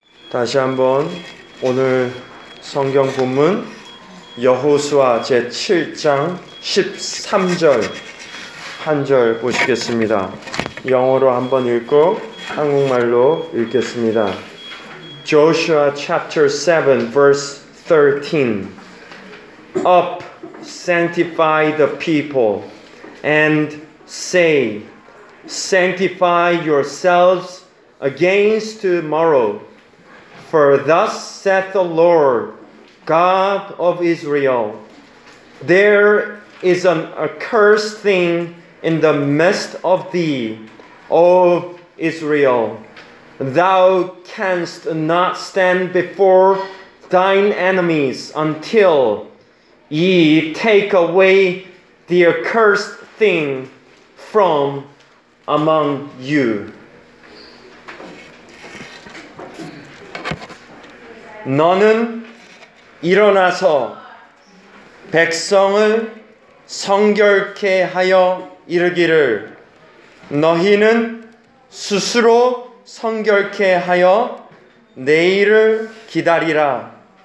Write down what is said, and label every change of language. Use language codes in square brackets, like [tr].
[ko] 다시 한번 오늘 성경 본문 여호수아 제7장 13절 한절 보시겠습니다. 영어로 한번 읽고 한국말로 읽겠습니다. [en] Joshua chapter 7 verse 13. Up, sanctify the people and say, sanctify yourselves against tomorrow. For thus saith the Lord, God of Israel, there is an accursed thing in the midst of thee, O Israel. Thou canst not stand before thine enemies until ye take away the accursed thing from among you. [ko] 너는 일어나서 백성을 성결케 하여 이르기를 너희는 스스로 성결케 하여 내일을 기다리라.